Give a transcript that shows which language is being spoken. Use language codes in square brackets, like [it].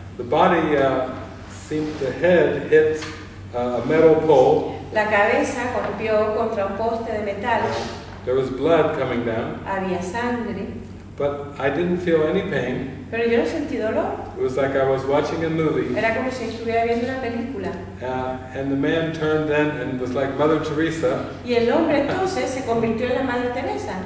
[en] The body seemed the head hit a metal pole. [es] La cabeza golpeó contra un poste de metal. [en] There was blood coming down. [es] Había sangre. [en] But I didn't feel any pain. [es] Pero yo no sentí dolor. [en] It was like I was watching a movie. [es] Era como si estuviera viendo una película. [en] And the man turned then and was like Mother Teresa. [es] Y el hombre entonces se convirtió en la Madre Teresa.